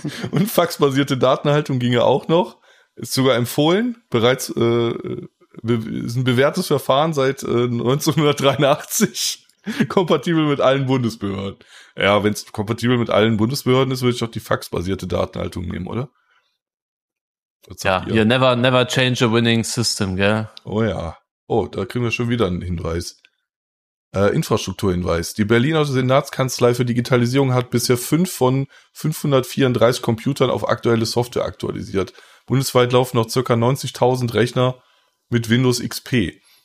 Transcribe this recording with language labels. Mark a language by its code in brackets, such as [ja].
[de] Und faxbasierte Datenhaltung ginge auch noch. Ist sogar empfohlen. Bereits ist ein bewährtes Verfahren seit 1983. Kompatibel mit allen Bundesbehörden. Ja, wenn es kompatibel mit allen Bundesbehörden ist, würde ich doch die faxbasierte Datenhaltung nehmen, oder? [en] Ja, you never change a winning system, gell? [de] Oh ja. Oh, da kriegen wir schon wieder einen Hinweis. Infrastrukturhinweis. Die Berliner Senatskanzlei für Digitalisierung hat bisher 5 von 534 Computern auf aktuelle Software aktualisiert. Bundesweit laufen noch ca. 90.000 Rechner mit Windows XP.